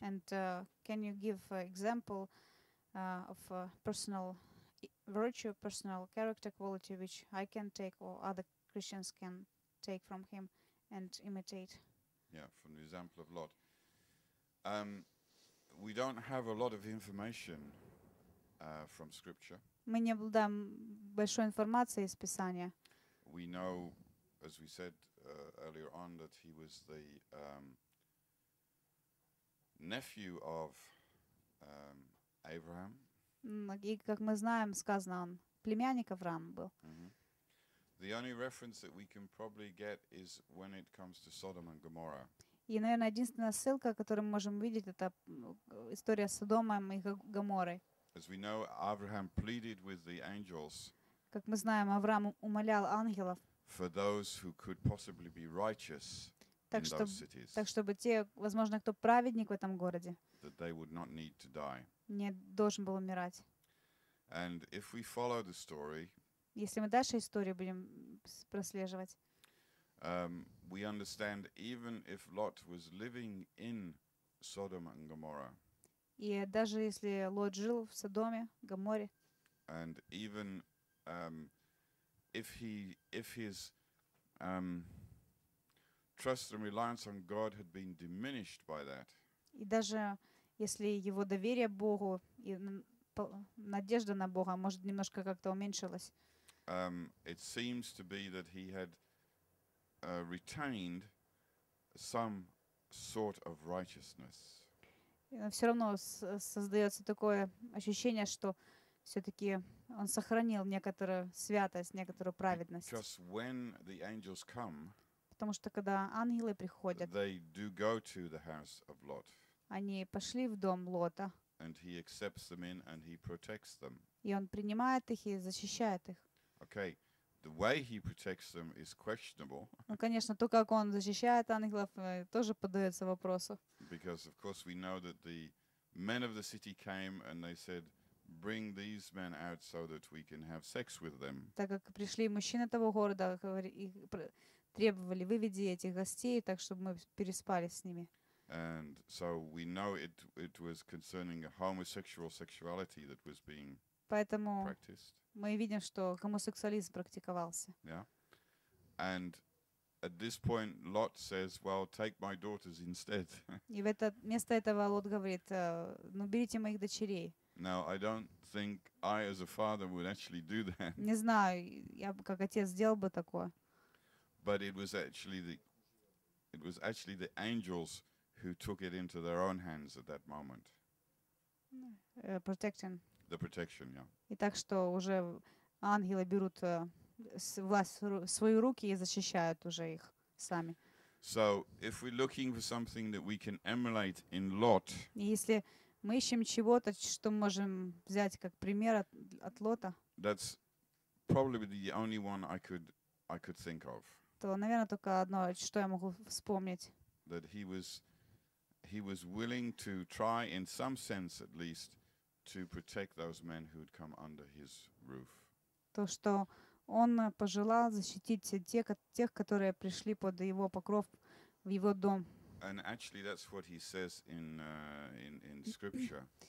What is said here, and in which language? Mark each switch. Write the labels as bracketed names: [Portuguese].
[English] And can you give example of personal virtue, personal character quality which I can take or other Christians can take from him and imitate? Yeah, from the example of Lot. We don't have a lot of information from Scripture. [Russian] Мы не обладаем большой информацией из Писания. [English] We know, as we said earlier on, that he was the nephew of Abraham. [Russian] И как мы знаем, сказано, он племянник Авраама был. [English] The only reference that we can probably get is when it comes to Sodom and Gomorrah. [Russian] И, наверное, единственная ссылка, которую мы можем видеть, это история с Содомом и Гоморой. [English] As we know, Abraham pleaded with the angels. [Russian] Как мы знаем, Авраам умолял ангелов. [English] For those who could possibly be righteous in those cities. [Russian] Так чтобы те, возможно, кто праведник в этом городе. [English] That they would not need to die. [Russian] Не должен был умирать. [English] And if we follow the story. [Russian] Если мы дальше историю будем прослеживать. [English] We understand even if Lot was living in Sodom and Gomorrah. [Russian] И даже если Лот жил в Содоме, Гоморе. [English] And even if his trust and reliance on God had been diminished by that. [Russian] И даже если его доверие Богу и надежда на Бога, может, немножко как-то уменьшилась. [English] It seems to be that he had retained some sort of righteousness. [Russian] Все равно создается такое ощущение, что все-таки он сохранил некоторую святость, некоторую праведность. [English] Because when the angels come, [Russian] потому что когда ангелы приходят, [English] they do go to the house of Lot. [Russian] Они пошли в дом Лота. [English] And he accepts them in and he protects them. [Russian] И он принимает их и защищает их. [English] Okay. The way he protects them is questionable. [Russian] Ну, конечно, то, как он защищает ангелов, тоже поддается вопросу. [English] Because of course we know that the men of the city came and they said, "Bring these men out so that we can have sex with them." [Russian] Так как пришли мужчины того города, и требовали: "Выведи этих гостей, так чтобы мы переспали с ними." [English] And so we know it was concerning a homosexual sexuality that was being [Russian] Поэтому [English] practiced. [Russian] Мы видим, что гомосексуализм практиковался. [English] Yeah. And at this point Lot says, "Well, take my daughters instead." И вместо этого Лот говорит: "Ну, берите моих дочерей." Now, I don't think I as a father would actually do that. [Russian] Не знаю, я бы как отец сделал бы такое. [English] But it was actually the angels who took it into their own hands at that moment. Protection. The protection, yeah. [Russian] И так что уже ангелы берут власть в свои руки и защищают уже их сами. [English] So, if we're looking for something that we can emulate in Lot. [Russian] Если мы ищем чего-то, что можем взять как пример от Лота. [English] That's probably the only one I could think of. [Russian] То, наверное, только одно, что я могу вспомнить. [English] That he was willing to try in some sense at least to protect those men who had come under his roof. [Russian] То, что он пожелал защитить тех, которые пришли под его покров в его дом. [English] And actually that's what he says in scripture.